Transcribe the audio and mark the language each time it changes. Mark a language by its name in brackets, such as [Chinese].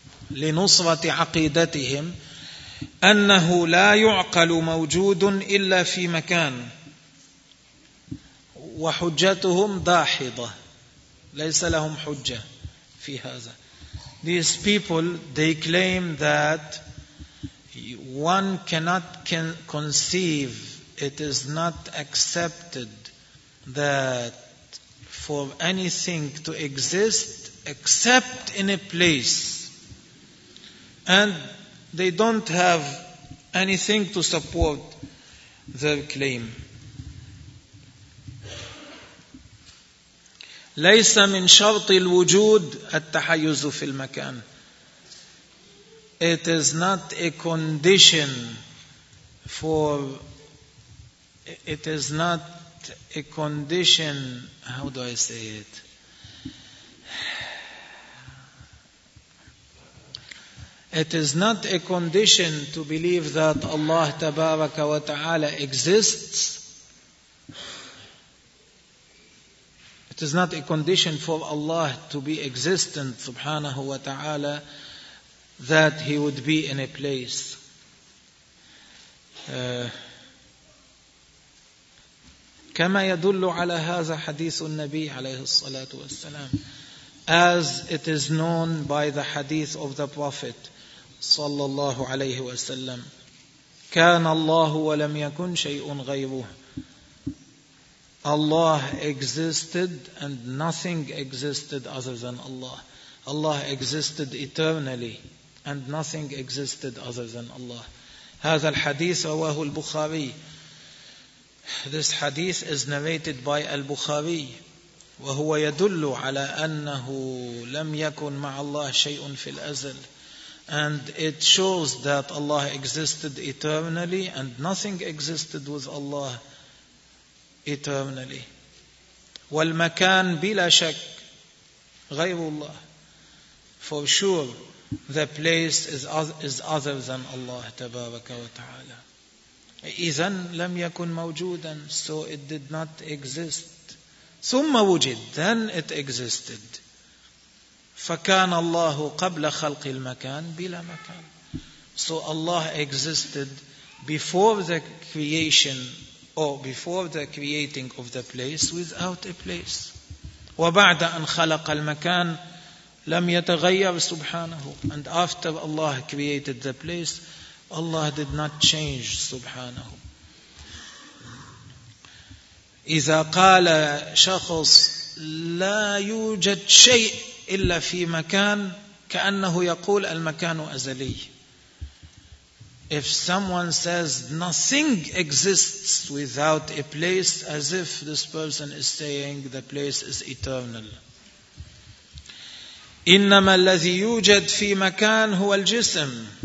[Arabic] لنصرة عقيدتهم أنه لا يعقل موجود إلا في مكان، وحجتهم داحضة، ليس لهم حجة في هذا. [English] These people, they claim that one cannot conceive, it is not accepted that for anything to exist except in a place. And they don't have anything to support their claim. [Arabic] ليس من شرط الوجود التحيز في المكان. [English] It is not a condition for, it is not a condition, how do I say it? It is not a condition to believe that Allah Tabaraka wa Ta'ala exists. It is not a condition for Allah to be existent, subhanahu wa ta'ala, that He would be in a place. [Arabic] كما يدل على هذا حديث النبي عليه الصلاة والسلام. [English] As it is known by the hadith of the Prophet, [Arabic] صلى الله عليه وسلم. كان الله ولم يكن شيء غيره. [English] Allah existed and nothing existed other than Allah. Allah existed eternally and nothing existed other than Allah. [Arabic] هذا الحديث رواه البخاري. [English] This hadith is narrated by [Arabic] البخاري وهو يدل على أنه لم يكن مع الله شيء في الأزل. [English] And it shows that Allah existed eternally and nothing existed with Allah eternally. [Arabic] والمكان بلا شك غير الله. [English] For sure, the place is other than Allah [Arabic] تبارك وتعالى. إذن لم يكن موجودا. [English] So it did not exist. [Arabic] ثم وجد. [English] Then it existed. [Arabic] فكان الله قبل خلق المكان بلا مكان. [English] So Allah existed before the creation or before the creating of the place, without a place. [Arabic] وبعد أن خلق المكان لم يتغير سبحانه. [English] And after Allah created the place, Allah did not change سبحانه. [Arabic] إذا قال شخص لا يوجد شيء إلا في مكان، كأنه يقول المكان أزلي. [English] If someone says nothing exists without a place, as if this person is saying the place is eternal. [Arabic] إِنَّمَا الَّذِي يُوجَدْ فِي مَكَانْ هُوَ الْجِسْمِ.